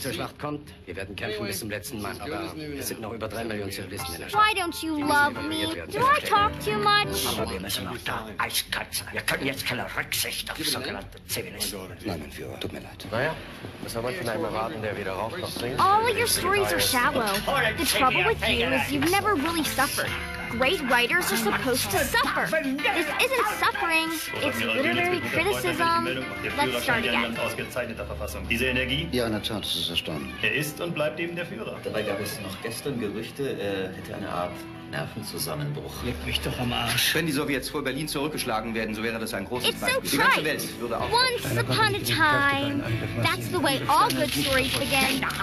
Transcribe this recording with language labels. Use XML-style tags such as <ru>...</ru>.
<de>zur Schlacht kommt, wir werden kämpfen bis zum letzten Mann, aber es sind noch über 3 Millionen Zivilisten in der Schlacht.</de> <en>Why don't you love me? Do I talk too much?</en> <de>Aber wir müssen auch da eiskalt sein. Wir können jetzt keine Rücksicht auf sogenannte Zivilisten. Nein, mein Führer, tut mir leid. Naja, was soll man von einem erwarten, der wieder raufkommt?</de> <en>All of your stories are shallow. The trouble with you is you've never really suffered. Great writers are supposed to suffer. This isn't suffering. It's literary criticism. Let's start again.</en> <de>Ausgezeichneter Verfassung. Diese Energie? Ja, in der Tat, das ist erstaunlich. Er ist und bleibt eben der Führer. Dabei gab es noch gestern Gerüchte, er hätte eine Art Nervenzusammenbruch. Leck mich doch am Arsch. Wenn die Sowjets vor Berlin zurückgeschlagen werden, so wäre das ein großes Beispiel. Die ganze Welt würde auch...</de> <en>Once upon a time, that's the way all good stories begin.</en>